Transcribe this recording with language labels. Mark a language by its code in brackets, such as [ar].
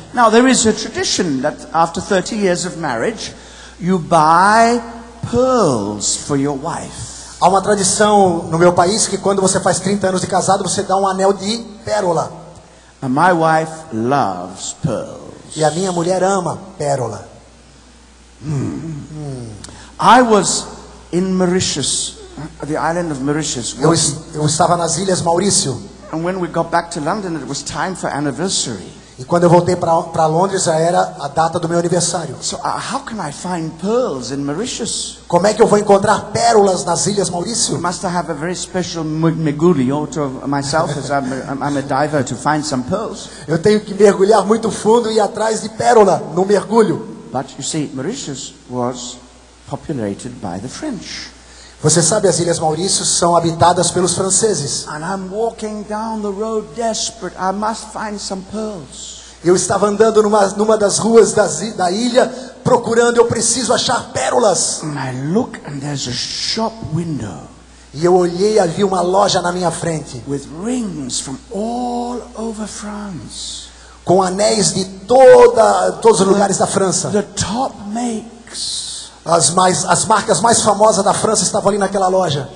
[en] Now there is a tradition that after 30 years of marriage, you buy pearls for your wife. [pt] Há uma tradição no meu país que quando você faz 30 anos de casado, você dá um anel de pérola. [en] And my wife loves pearls. [pt] E a minha mulher ama pérola. [en] I was in Mauritius, the island of Mauritius. [pt] Eu estava nas Ilhas Maurício. [en] And when we got back to London, it was time for anniversary. [pt] E quando eu voltei para Londres, já era a data do meu aniversário. [en] So, how can I find pearls in Mauritius? [pt] Como é que eu vou encontrar pérolas nas Ilhas Maurício? [en] Must I have a very special miguli to myself as I'm a diver to find some pearls? [pt] Eu tenho que mergulhar muito fundo e ir atrás de pérola no mergulho. [en] But you see, Mauritius was populated by the French. [pt] Você sabe, as Ilhas Maurício são habitadas pelos franceses. [en] And I'm walking down the road desperate. I must find some pearls. [pt] Eu estava andando numa das ruas da ilha procurando, eu preciso achar pérolas. [en] And I look and there's a shop window. [pt] E eu olhei e havia uma loja na minha frente. [en] With rings from all over France. [pt] Com anéis de todos os lugares da França. [en] The top makes. [pt] As marcas mais famosas da França estavam ali naquela loja.